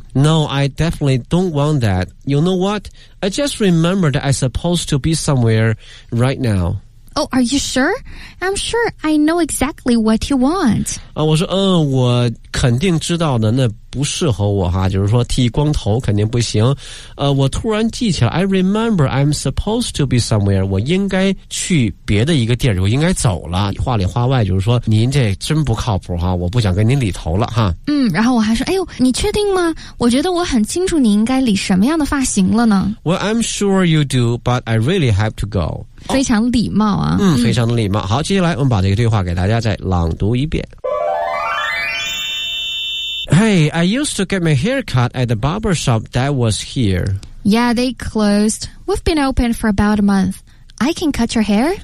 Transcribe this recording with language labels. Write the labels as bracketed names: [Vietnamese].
[English] No I definitely don't want that You know what I just remembered I'm supposed to be somewhere right now Oh, are you sure? I'm sure I know exactly what you want. [Chinese] 啊，我说，嗯，我肯定知道的，那不适合我哈，就是说剃光头肯定不行。我突然记起来 [English] ，I remember I'm supposed to be somewhere. [Chinese] 我应该去别的一个地儿，我应该走了。话里话外就是说，您这真不靠谱哈，我不想跟您理头了哈。嗯，然后我还说，哎呦，你确定吗？我觉得我很清楚你应该理什么样的发型了呢。 [English] Well, I'm sure you do, but I really have to go. [Chinese] 非常礼貌啊、哦、嗯，非常的礼貌、嗯、好接下来我们把这个对话给大家再朗读一遍 [English] Hey, I used to get my hair cut at the barber shop that was here Yeah, they closed We've been open for about a month I can cut your hair?